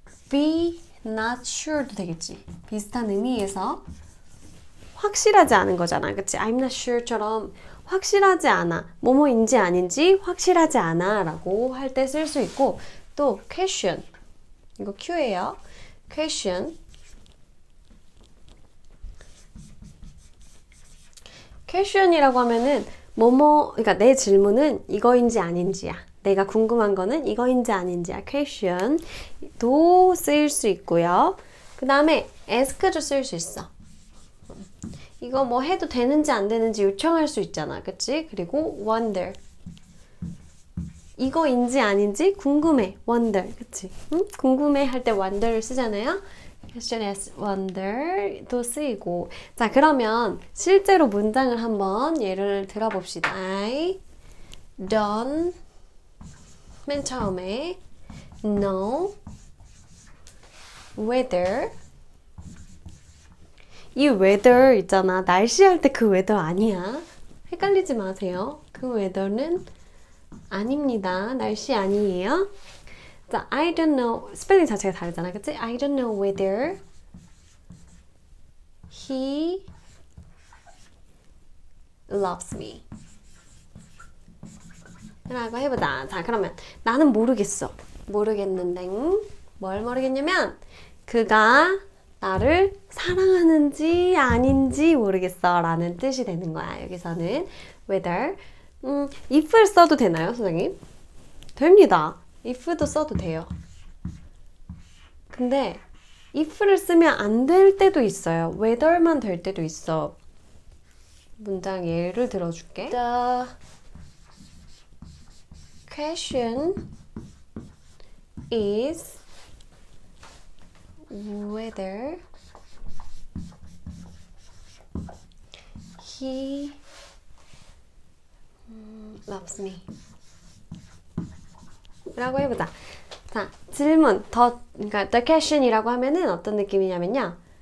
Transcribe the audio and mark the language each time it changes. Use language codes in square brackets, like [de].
[en] be not sure [ko] 도 되겠지. 비슷한 의미에서. 확실하지 않은 거잖아. 그치? [en] I'm not sure [ko] 처럼 확실하지 않아. 뭐뭐인지 아닌지 확실하지 않아. 라고 할때쓸수 있고. 또, question. 이거 Q예요. question. question이라고 하면은, 뭐뭐, 그러니까 내 질문은 이거인지 아닌지야. 내가 궁금한 거는 이거인지 아닌지야. question도 쓰일 수 있고요. 그 다음에 ask도 쓸수 있어. 이거 뭐 해도 되는지 안 되는지 요청할 수 있잖아. 그치? 그리고 wonder. 이거인지 아닌지 궁금해. wonder. 그치? 응? 궁금해 할때 wonder를 쓰잖아요. [en] question as wonder도 쓰이고. [ko] 자, 그러면 실제로 문장을 한번 예를 들어봅시다. [en] I don't [ko] 맨 처음에 [en] know whether [ko] 이 weather 있잖아. 날씨 할때그 weather 아니야. 헷갈리지 마세요. 그 weather는 아닙니다. 날씨 아니에요. 자, [en] I don't know. [ko] 스펠링 자체가 다르잖아. 그치? [en] I don't know whether he loves me. [ko] 라고 해보자. 자, 그러면 나는 모르겠어. 모르겠는데. 뭘 모르겠냐면, 그가 나를 사랑하는지 아닌지 모르겠어 라는 뜻이 되는 거야. 여기서는 whether. if를 써도 되나요, 선생님? 됩니다. if도 써도 돼요. 근데 if를 쓰면 안될 때도 있어요. whether만 될 때도 있어. 문장 예를 들어줄게. [en] The question is whether He loves me. [ko] 라고 해보자. 자, 질문. 그러니까 the question이라고 하면은 어떤 느낌이냐면요.